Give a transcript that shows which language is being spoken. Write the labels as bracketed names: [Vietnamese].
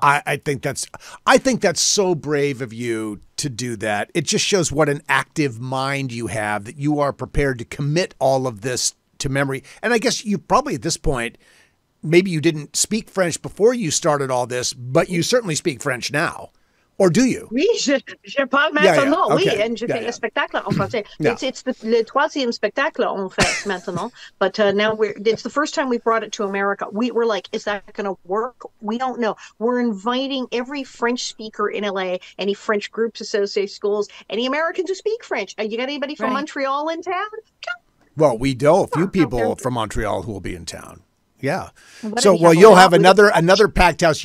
[English] I think that's so brave of you to do that. It just shows what an active mind you have, that you are prepared to commit all of this to memory. And I guess you probably at this point, maybe you didn't speak French before you started all this, but you certainly speak French now. Or do you? [French] Oui, je parle maintenant. Yeah, yeah. Okay. Oui, and je fais le spectacle en français. It's le troisième spectacle en fait maintenant. [English] But now it's the first time we brought it to America. We were like, is that going to work? We don't know. We're inviting every French speaker in LA, any French groups, associate schools, any Americans who speak French. You got anybody from Montreal in town? Well, we do. A few people from Montreal who will be in town. Yeah. You'll have another packed house.